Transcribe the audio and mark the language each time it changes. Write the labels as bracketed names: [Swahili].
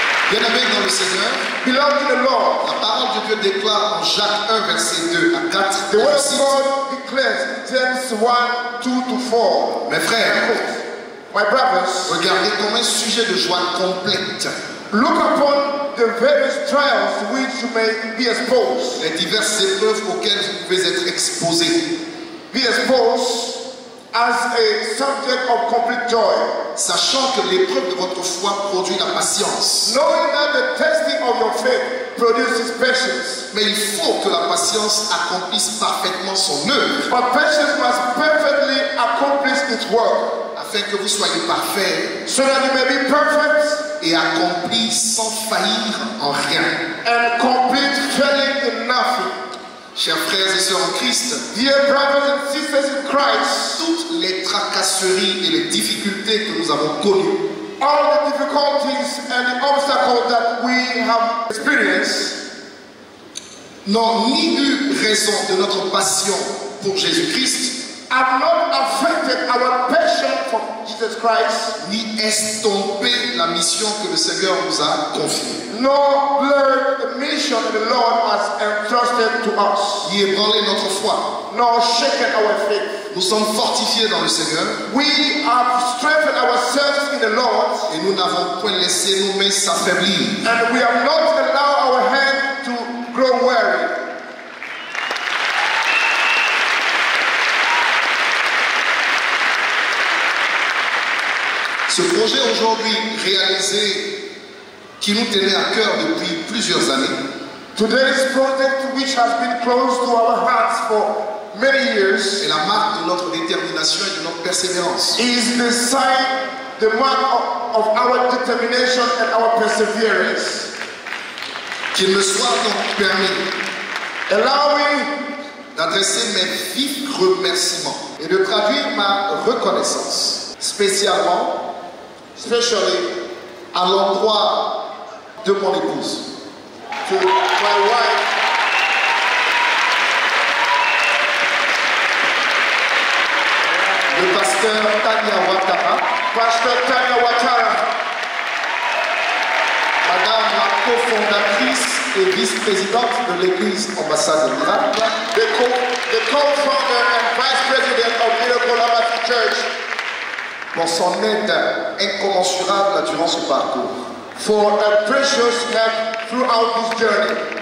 [French] Bien-aimés dans le Seigneur, [English] beloved in the Lord, [French] la parole de Dieu déclare en Jacques 1, verset 2 à 4. [English] The word of God declares James 1, 2 to 4. [French] Mes frères, [English] my brothers, [French] regardez comme un sujet de joie complète. [English] Look upon the various trials to which you may be exposed. [French] Les diverses épreuves auxquelles vous pouvez être exposé. [English] Be exposed as a subject of complete joy. [French] Sachant que l'épreuve de votre foi produit la patience. [English] Knowing that the testing of your faith produces patience. [French] Mais il faut que la patience accomplisse parfaitement son œuvre. [English] But patience must perfectly accomplish its work. [French] Afin que vous soyez parfait. [English] So that you may be perfect. [French] Et accompli sans faillir en rien. [English] And complete failing in nothing. [French] Chers frères et sœurs en Christ, [English] dear brothers and sisters in Christ, [French] toutes les tracasseries et les difficultés que nous avons connues, [English] all the difficulties and the obstacles that we have experienced, [French] n'ont ni eu raison de notre passion pour Jésus-Christ, [English] have not affected our passion for Jesus Christ, [French] ni estompé la mission que le Seigneur nous a confiée. [English] Nor blurred the mission the Lord has entrusted to us, [French] ni ébranlé notre foi. [English] Nor shaken our faith. [French] Nous sommes fortifiés dans le Seigneur. [English] We have strengthened ourselves in the Lord. [French] Et nous n'avons point laissé nos mains s'affaiblir. [English] And we have not allowed our hand to grow weary. [French] Ce projet aujourd'hui réalisé, qui nous tenait à cœur depuis plusieurs années. [English] Today's project, which has been close to our hearts for many years, [French] est la marque de notre détermination et de notre persévérance. [English] Is the sign, the mark of our determination and our perseverance. [French] Qu'il me soit donc permis. [English] Allow me [French] d'adresser mes vifs remerciements et de traduire ma reconnaissance, spécialement. [English] Especially [French] à l'endroit de mon épouse, [English] to my wife, [French] le pasteur Tania Ouattara, pasteur Tania Ouattara, madame co-fondatrice et vice-présidente de l'Église Ambassade de Miracle. [English] The co-founder and vice-president of Miracle Ambassade Church. [French] Pour son aide incommensurable durant ce parcours. [English] For a precious help throughout this journey.